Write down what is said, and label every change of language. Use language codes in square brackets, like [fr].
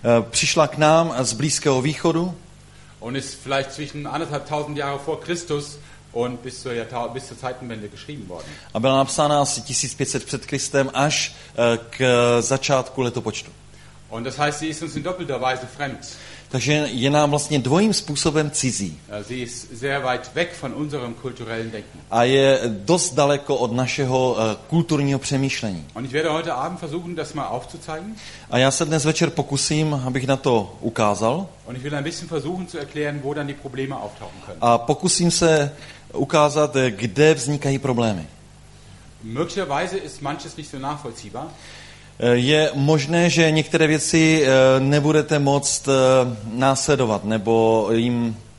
[cs] Přišla k nám z Blízkého východu. [de] Und ist vielleicht zwischen 1500 Jahre vor Christus und bis zur Zeitenwende geschrieben worden. [cs] A byla napsána asi 1500 před Kristem až k začátku letopočtu. [de] Und das heißt, sie ist uns in doppelter Weise fremd. [cs] Takže je nám vlastně dvojím způsobem cizí. [de] Sie ist sehr weit weg von unserem kulturellen Denken. [cs] A je dost daleko od našeho kulturního přemýšlení. [de] Und ich werde heute Abend versuchen, das mal aufzuzeigen. [cs] A já se dnes večer pokusím, abych na to ukázal. [de] Und ich will ein bisschen versuchen zu erklären, wo dann die Probleme auftauchen können. [cs] A pokusím se ukázat, kde vznikají problémy. [de] Möglicherweise ist manches nicht so nachvollziehbar. [cs] Je možné, že některé věci nebudete moct následovat, nebo jim...